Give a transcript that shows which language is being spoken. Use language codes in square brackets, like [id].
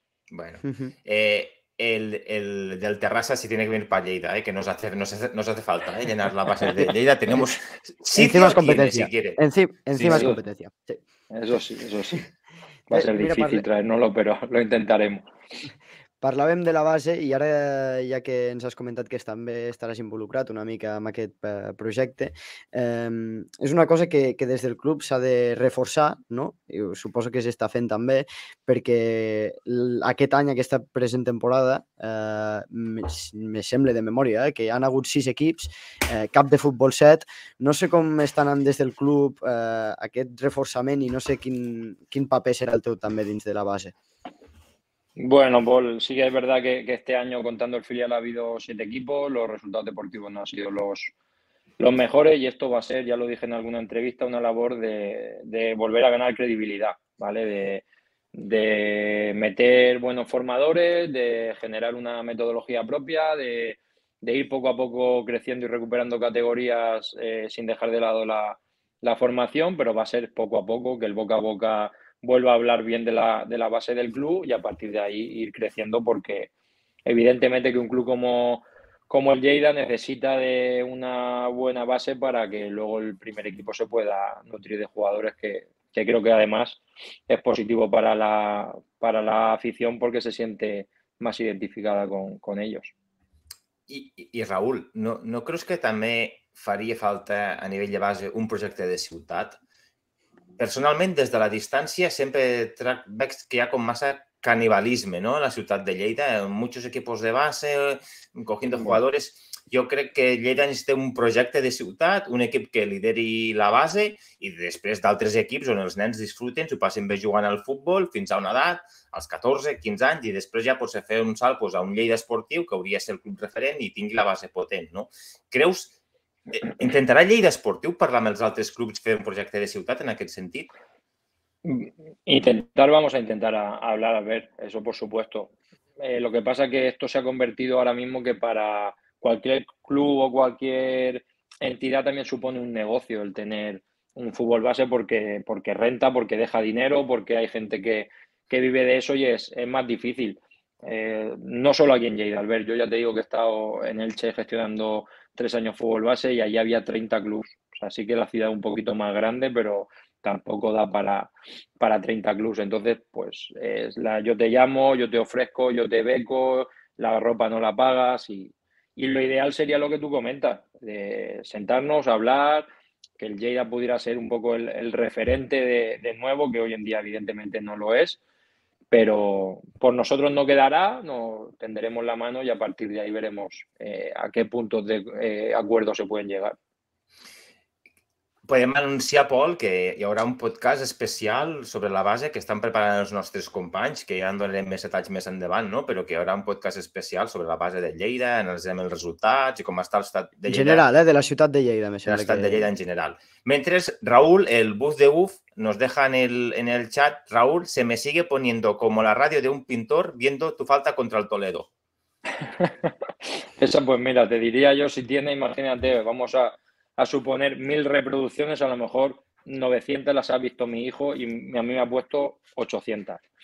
[es] Bueno, el del Terrassa sí tiene que venir para Lleida, que nos hace falta llenar la base de Lleida. Tenemos encima es competencia, si quiere. Encima sí, es competencia. Sí. Eso sí, eso sí. Va a ser difícil traérnoslo, pero lo intentaremos. [ca] Parlàvem de la base i ara, ja que ens has comentat que també estaràs involucrat una mica en aquest projecte, és una cosa que des del club s'ha de reforçar, no? I suposo que s'està fent també, perquè aquest any, aquesta present temporada, me sembla de memòria, que hi han hagut 6 equips, cap de futbol 7. No sé com està anant des del club aquest reforçament i no sé quin paper serà el teu també dins de la base. [es] Bueno, Paul, sí que es verdad que este año contando el filial ha habido 7 equipos, los resultados deportivos no han sido los mejores y esto va a ser, ya lo dije en alguna entrevista, una labor de volver a ganar credibilidad, ¿vale? De meter buenos formadores, de generar una metodología propia, de ir poco a poco creciendo y recuperando categorías sin dejar de lado la formación, pero va a ser poco a poco, que el boca a boca vuelva a hablar bien de la base del club y a partir de ahí ir creciendo, porque evidentemente que un club como el Lleida necesita de una buena base para que luego el primer equipo se pueda nutrir de jugadores que creo que además es positivo para la afición porque se siente más identificada con ellos. Y Raúl, ¿no crees que también haría falta a nivel de base un proyecto de ciudad? [ca] Personalment, des de la distància, sempre veig que hi ha com massa canibalisme, no?, a la ciutat de Lleida. [es] Muchos equipos de base, cogiendo jugadores. [ca] Jo crec que Lleida necessita un projecte de ciutat, un equip que lideri la base i després d'altres equips on els nens disfruten, s'ho passen bé jugant al futbol fins a una edat, als 14, 15 anys, i després ja potser fer un salt a un Lleida esportiu que hauria de ser el club referent i tingui la base potent, no? Creus? ¿Intentará Lleida Esportiu parlar amb els altres clubs, fer un projecte de ciutat en aquest sentit? [es] Intentar, vamos a intentar hablar, a ver, eso por supuesto. Lo que pasa es que esto se ha convertido ahora mismo que para cualquier club o cualquier entidad también supone un negocio el tener un fútbol base porque renta, porque deja dinero, porque hay gente que vive de eso y es más difícil. No solo aquí en Lleida, Albert, yo ya te digo que he estado en Elche gestionando 3 años fútbol base y allí había 30 clubes, o sea, sí que la ciudad es un poquito más grande, pero tampoco da para 30 clubes, entonces pues yo te llamo, yo te ofrezco, yo te beco, la ropa no la pagas y lo ideal sería lo que tú comentas, de sentarnos, hablar, que el Lleida pudiera ser un poco el referente de nuevo, que hoy en día evidentemente no lo es. Pero por nosotros no quedará, no tendremos la mano y a partir de ahí veremos a qué puntos de acuerdo se pueden llegar. [ca] Podem anunciar, Pol, que hi haurà un podcast especial sobre la base que estan preparant els nostres companys, que ja en donarem més detalls més endavant, no? Però que hi haurà un podcast especial sobre la base de Lleida, analitzarem els resultats i com està l'estat de Lleida. En general, de la ciutat de Lleida. L'estat de Lleida en general. [es] Mentre, Raúl, el buf de buf, nos deja en el chat, Raúl, se me sigue poniendo como la radio de un pintor viendo tu falta contra el Toledo. Esa, pues mira, te diría yo, si tiene, imagínate, vamos a suponer 1000 reproducciones, a lo mejor 900 las ha visto mi hijo y a mí me ha puesto 800.